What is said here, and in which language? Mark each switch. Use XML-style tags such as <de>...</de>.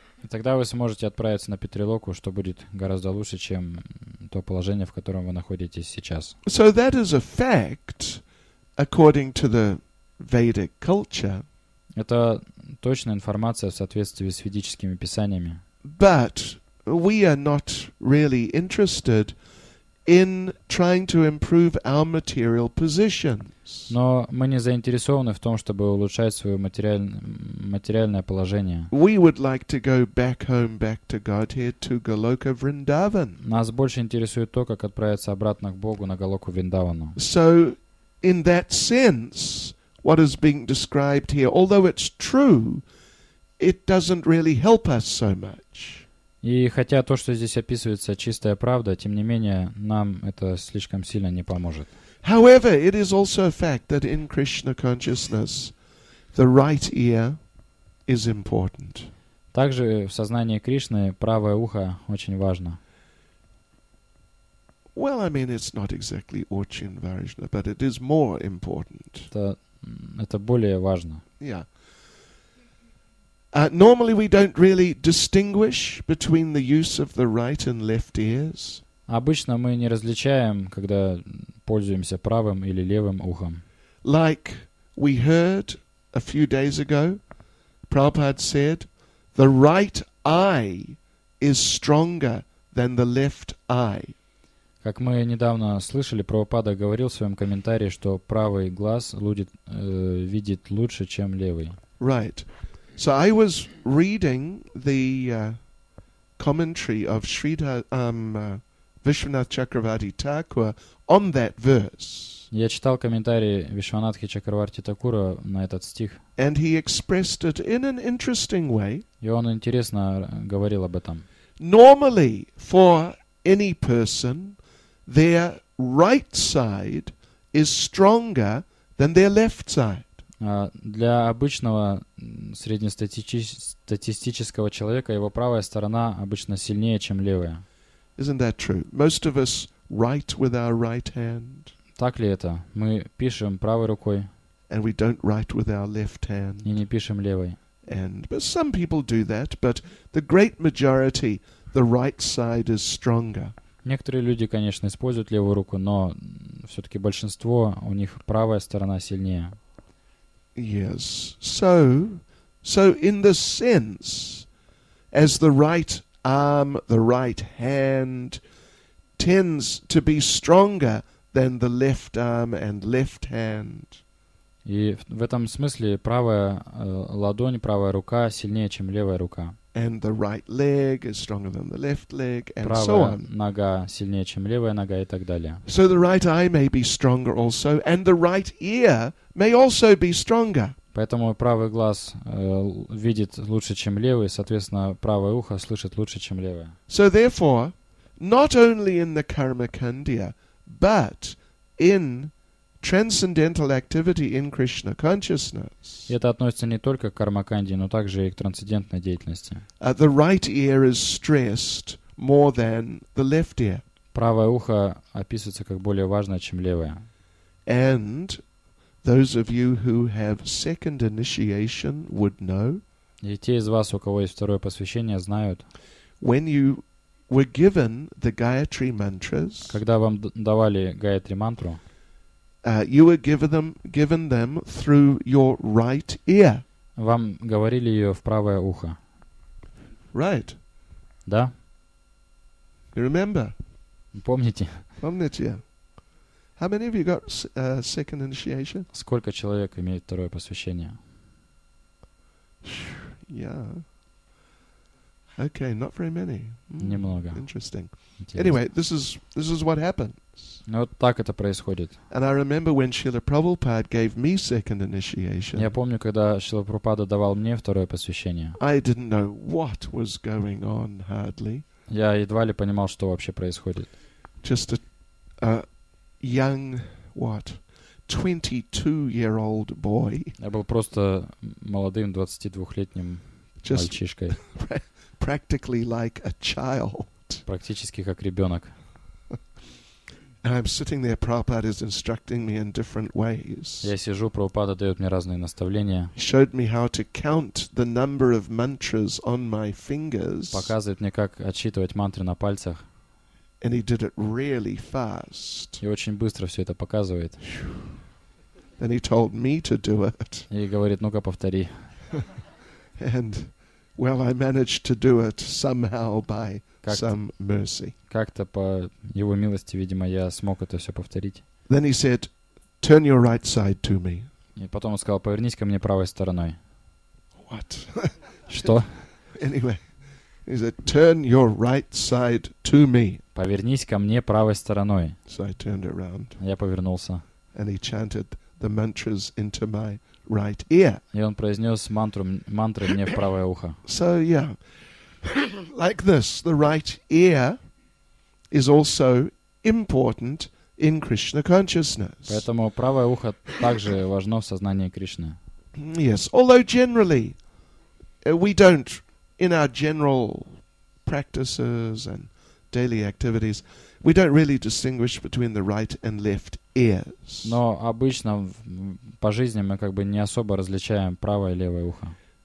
<ru>Тогда вы сможете отправиться на Петрилоку, что будет гораздо лучше, чем то положение, в котором вы находитесь сейчас.</ru> <en>So that is a fact according to the Vedic culture.</en> <ru>Это точная информация в соответствии с ведическими писаниями.</ru> <en>But we are not really interested in trying to improve our material positions.</en> <ru>Но мы не заинтересованы в том, чтобы улучшать свое материальное положение.</ru> <en>We would like to go back home, back to Godhead, to Goloka Vrindavan.</en> <ru>Нас больше интересует то, как отправиться обратно к Богу на Голоку Вриндавану.</ru> <en>So, in that sense, what is being described here, although it's true, it doesn't really help us so much.</en> <ru>И хотя то, что здесь описывается, чистая правда, тем не менее, нам это слишком сильно не поможет.</ru> <en>However, it is also a fact that in Krishna consciousness the right ear is important.</en> <ru>Также в сознании Кришны правое ухо очень важно.</ru> <en>Well, I mean, it's not exactly</en> <ru>очень важно,</ru> <en>but it is more important.</en> <ru>Это более важно.</ru> <en>Yeah. Normally we don't really distinguish between the use of the right and left ears.</en> <ru>Обычно мы не различаем, когда пользуемся правым или левым ухом.</ru> <en>Like we heard a few days ago, Prabhupada said, the right eye is stronger than the left eye.</en> <ru>Как мы недавно слышали, Прабхупада говорил в своем комментарии, что правый глаз видит лучше, чем левый.</ru> <en>Right. So I was reading the commentary of Vishwanath Chakravarti Thakura on that verse.</en> <ru>Я читал комментарий Вишванатхи Чакраварти Такура на этот стих.</ru> <en>And he expressed it in an interesting way.</en> <ru>И он интересно говорил об этом.</ru> <en>Normally, for any person, their right side is stronger than their left side.</en> <ru>Для обычного среднестатистического человека его правая сторона обычно сильнее, чем левая.</ru> <en>Isn't that true? Most of us write with our right hand.</en> <ru>Так ли это? Мы пишем правой рукой.</ru> <en>And we don't write with our left hand.</en> <ru>И не пишем левой.</ru> <en>end. But some people do that, but the great majority, the right side is stronger.</en> <ru>Некоторые люди, конечно, используют левую руку, но все-таки большинство, у них правая сторона сильнее.</ru> <en>Yes. So in the sense, as the right arm, the right hand tends to be stronger than the left arm and left hand.</en> <ru>И в этом смысле правая ладонь, правая рука сильнее, чем левая рука.</ru> <en>And the right leg is stronger than the left leg, and</en> <ru>правая</ru> <en>so on.</en> <ru>Правая нога сильнее, чем левая нога, и так далее.</ru> <en>So the right eye may be stronger also, and the right ear may also be stronger.</en> <ru>Поэтому правый глаз видит лучше, чем левый, соответственно, правое ухо слышит лучше, чем левое.</ru> <en>So therefore, not only in the Karmakandya, but in transcendental activity in Krishna consciousness.</en> <ru>Это относится не только к кармаканде, но также и к трансцендентной деятельности.</ru> <en>The right ear is stressed more than the left ear.</en> <ru>Правое ухо описывается как более важное, чем левое.</ru> <en>And those of you who have second initiation would know.</en> <ru>И те из вас, у кого есть второе посвящение, знают.</ru> <en>When you were given the Gayatri mantras.</en> <ru>Когда вам давали Гаятри мантру.</ru> <en>You were given them through your right ear.</en> <ru>Вам говорили ее в правое ухо.</ru> <en>Right.</en> <ru>Да.</ru> <en>You remember?</en> <ru>Помните? Помните?</ru> <en>How many of you got second initiation?</en> <ru>Сколько человек имеет второе посвящение?</ru> <en>Yeah. Okay, not very many.</en> <ru>Немного.</ru> <en>Interesting. Anyway, this is what happens.</en> <ru>Ну, вот так это происходит.</ru> <en>And I remember when Srila Prabhupada gave me second initiation.</en> <ru>Я помню, когда Шрила Прабхупада давал мне второе посвящение.</ru> <en>I didn't know what was going on hardly.</en> <ru>Я едва ли понимал, что вообще происходит.</ru> <en>Just a young, what, 22-year-old boy.</en> <ru>Я был просто молодым 22-летним мальчишкой.</ru> <en>Practically like a child.</en> <ru>Практически как ребенок.</ru> <en>And I'm sitting there, Prabhupada is instructing me in different ways.</en> <ru>Я сижу, Прабхупада дает мне разные наставления.</ru> <en>He showed me how to count the number of mantras on my fingers.</en> <ru>Показывает мне, как отсчитывать мантры на пальцах.</ru> <en>And he did it really fast.</en> <ru>И очень быстро все это показывает.</ru> <en>Then he told me to do it.</en> <ru>И говорит, ну-ка, повтори.</ru> <en>And well, I managed to do it somehow by some mercy.</en> <ru>Как-то по его милости, видимо, я смог это все повторить.</ru> <en>Then he said, "Turn your right side to me."</en> <ru>И потом он сказал, повернись ко мне правой стороной.</ru> <en>What?</en> <ru>Что?</ru> <en>Anyway, he said, "Turn your right side to me."</en> <ru>Повернись ко мне правой стороной.</ru> <en>So I turned around.</en> <ru>Я повернулся.</ru> <en>And he chanted the mantras into my right ear.</en> <ru>И он произнес мантры мне в правое ухо.</ru> <en>So yeah, like this, the right ear is also important in Krishna consciousness.</en> <ru>Поэтому правое ухо также важно в сознании Кришны.</ru> <en>Yes, although generally we don't, in our general practices and daily activities, we don't really distinguish between the right and left ears.</en> <ru>Но обычно по жизни мы как бы не особо различаем правое и левое ухо.</ru>